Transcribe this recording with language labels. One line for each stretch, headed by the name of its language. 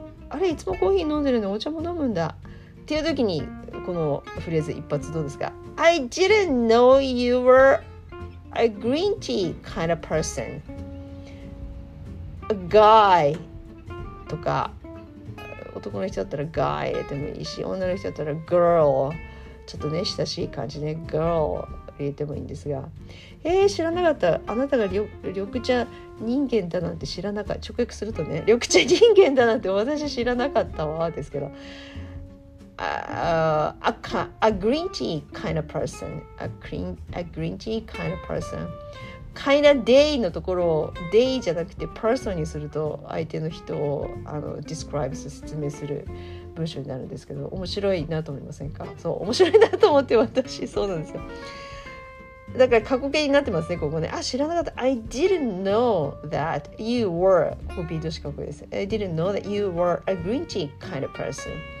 Japanese: あれ、いつもコーヒー飲んでるのにお茶も飲むんだっていう時に、このフレーズ一発どうですか。
English: I didn't know you were a green tea kind of person。
Japanese: A guy とか、男の人だったら guy でもいいし、女の人だったら girl、ちょっとね親しい感じね、 girl 入れてもいいんですが、知らなかった、あなたが緑茶人間だなんて知らなかった、直訳するとね、緑茶人間だなんて私知らなかったわですけど、
English: a green tea kind of person. A green tea kind of person. Kind of day
Japanese: のところを day じゃなくて person にすると相手の人をあの
English: describes
Japanese: 説明する文章になるんですけど、面白いなと思いませんか。そう、面白いなと思って私そうなんですよ。だから過去形になってますね、ここね。あ、知らなかった。
English: I didn't know that you were、
Japanese: コピー動詞過去形です。
English: I didn't know that you were a green tea kind of person。